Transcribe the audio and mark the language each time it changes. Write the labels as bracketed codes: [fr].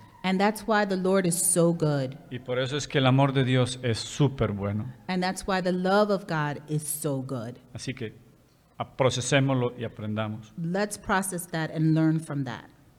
[en] And that's why the Lord is so good. [es] Y por eso es que el amor de Dios es súper bueno. [en] And that's why the love of God is so good. [es] Así que, procesémoslo y aprendamos. [en] Let's process that and learn from that.